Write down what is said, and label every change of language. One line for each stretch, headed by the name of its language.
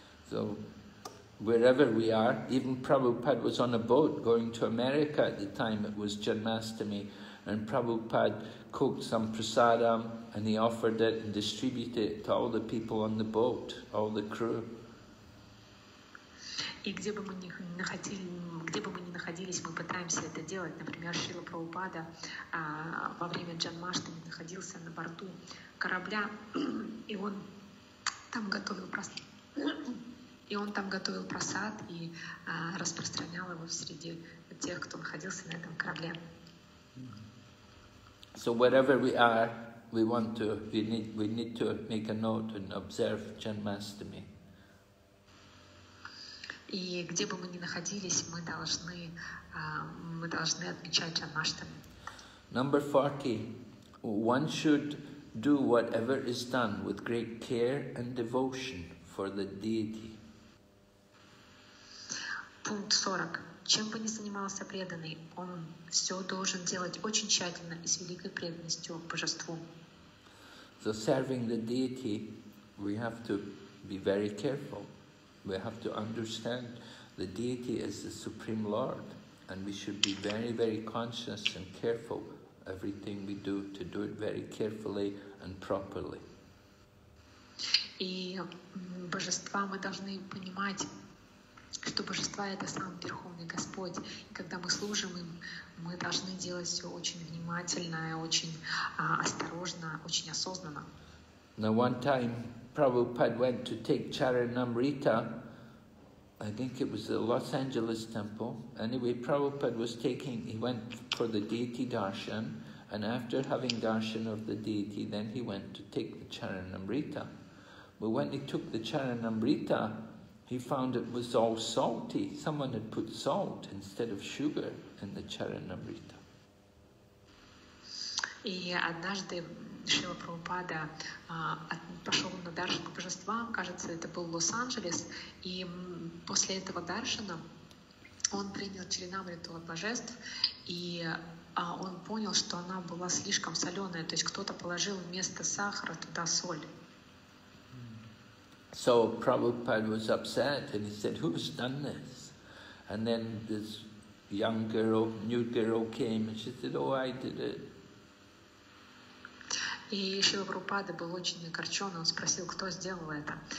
English: So, wherever we are, even Prabhupada was on a boat going to America at the time it was Janmashtami, and Prabhupada cooked some prasadam and he offered it and distributed it to all the people on the boat, all the crew.
Russian: И где бы мы ни находили, где бы мы ни находились, мы пытаемся это делать. Например, Шрила Прабхупада во время Джанмаштами находился на борту корабля, и он там готовил просад и распространял его среди тех, кто находился на этом корабле.
English: So wherever we are, we need to make a note and observe Janmashtami.
Russian: И где бы мы ни находились, мы должны отмечать Джанмаштами.
English: Number 40. One should do whatever is done with great care and devotion for the deity.
Russian: Пункт 40. Чем бы ни занимался преданный, он все должен делать очень тщательно и с великой преданностью к божеству.
English: So serving the deity, we have to be very careful. We have to understand the deity is the Supreme Lord, and we should be very, very conscious and careful everything we do, to do it very carefully and properly.
Russian: И божества мы должны понимать, что божества это сам Верховный Господь. И когда мы служим им, мы должны делать все очень внимательно, очень осторожно, очень осознанно.
English: Now one time Prabhupada went to take Charanamrita. I think it was the Los Angeles temple. Anyway, Prabhupada was taking, he went for the deity darshan, and after having darshan of the deity, then he went to take the Charanamrita. But when he took the Charanamrita, he found it was all salty. Someone had put salt instead of sugar in the Charanamrita.
Russian: Шрила Прабхупада пошел на даршан к божествам, кажется, это был Лос-Анджелес, и после этого даршана он принял чаринамриту от божеств, и он понял, что она была слишком соленая, то есть кто-то положил вместо сахара туда соль.
English: So Prabhupada was upset, and he said, "Who's done this?" And then this young girl, new girl came, and she said, "Oh, I did it."
Russian: И Шрила Прабхупада был очень огорчен, он спросил, кто сделал это.